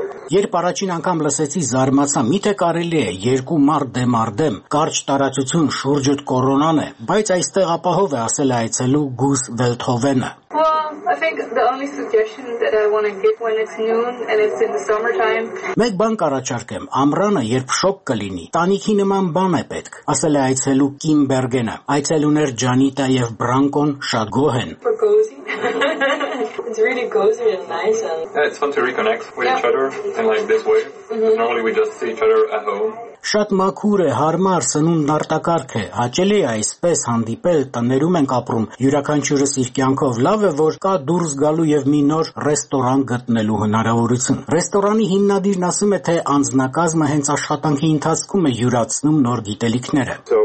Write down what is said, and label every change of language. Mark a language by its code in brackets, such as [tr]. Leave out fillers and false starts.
[hy] Երբ առաջին անգամ լսեցի, զարմացա, միթե կարելի է 2 մարդ դեմ առ դեմ, կարճ տարածություն, շուրջդ կորոնան է, բայց այստեղ ապահով է, ասել է այցելու Գուս Վելթովենը։ Մեկ բան առաջարկեմ, ամռանը, երբ շոգ կլինի, տանիքի նման բան է պետք, ասել է այցելու Կիմբերգենը։ Այցելուներ Ջանիտա եւ Բրանկոն շատ գոհ են։ [en] It's really cozy and nice. And... It's fun to reconnect with each other in like this way. Normally we just see each other at home. [hy] Շատ մաքուր է, հարմար, սնունդ արտակարգ է, հաճելի է այսպես հանդիպել, տներում ենք ապրում, յուրաքանչյուրս իր կյանքով, լավ է, որ կա դուրս գալու եւ մի նոր ռեստորան գտնելու հնարավորություն։ Ռեստորանի հիմնադիրն ասում է, թե անձնակազմը հենց աշխատանքի ընթացքում է յուրացնում նոր գիտելիքները։